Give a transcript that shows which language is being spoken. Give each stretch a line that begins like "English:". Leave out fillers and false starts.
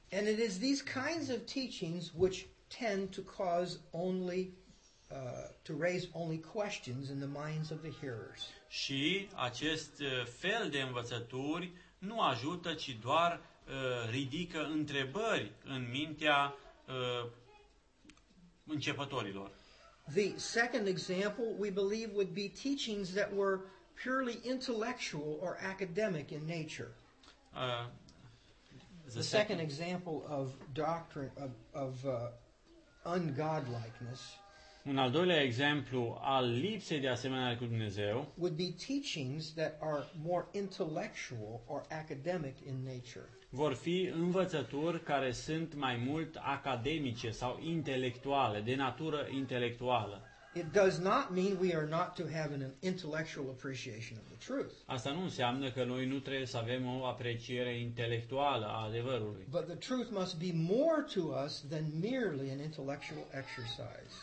English: And it is these kinds of teachings which tend to cause only to raise only questions in the minds of the hearers.
Romanian: Și acest fel de învățături nu ajută, ci doar ridică întrebări în mintea începătorilor.
English: The second example we believe would be teachings that were purely intellectual or academic in nature. The second example of doctrine of ungodlikeness.
Romanian: Un al doilea exemplu al lipsei de asemănare cu Dumnezeu
English: would be teachings that are more intellectual or academic in nature.
Romanian: Vor fi învățături care sunt mai mult academice sau intelectuale, de natură intelectuală.
English: It does not mean we are not to have an intellectual appreciation of the truth.
Romanian: Asta nu înseamnă că noi nu trebuie să avem o apreciere intelectuală a adevărului.
English: But the truth must be more to us than merely an intellectual exercise.